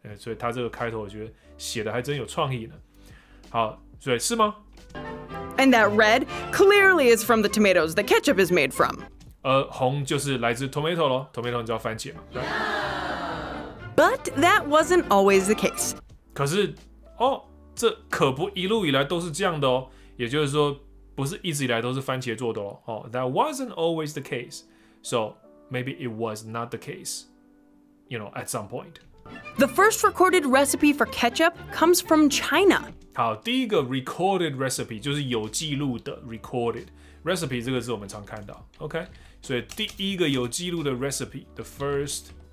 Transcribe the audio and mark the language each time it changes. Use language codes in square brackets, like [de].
[zh] 所以他这个开头我觉得写的还真有创意呢。好，所以是吗 [en] ？And that red clearly is from the tomatoes the ketchup is made from. [zh] 红就是来自 tomato 咯 ，tomato 你知道番茄吗 ？ [en] Right. But that wasn't always the case. [zh] 可是哦。这可不一路以来都是这样的哦，也就是说，不是一直以来都是番茄做的哦。 [en] Oh, that wasn't always the case, so maybe it was not the case, you know, at some point. The first recorded recipe for ketchup comes from China. [zh] 好，第一个 [en] recorded recipe [zh] 就是有记录的 recorded recipe 这个字我们常看到 ，OK， 所以第一个有记录的 recipe, [en] the first.